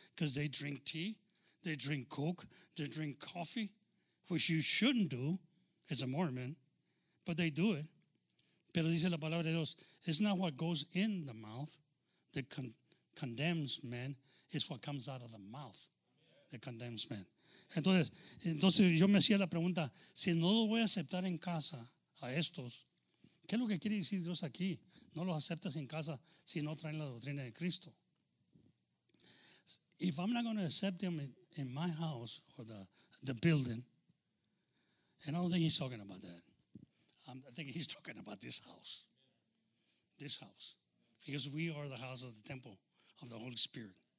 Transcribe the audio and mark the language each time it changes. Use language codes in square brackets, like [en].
[en] Because they drink tea, they drink coke, they drink coffee, which you shouldn't do as a Mormon, but they do it. [es] Pero dice la palabra de Dios, [en] it's not what goes in the mouth that condemns men, it's what comes out of the mouth that condemns men. [es] Entonces yo me hacía la pregunta, si no lo voy a aceptar en casa a estos, ¿qué es lo que quiere decir Dios aquí? No los aceptas en casa si no traen la doctrina de Cristo. [en] If I'm not going to accept him in my house or the building, and I don't think he's talking about that. I think he's talking about this house. This house. Because we are the house of the temple of the Holy Spirit.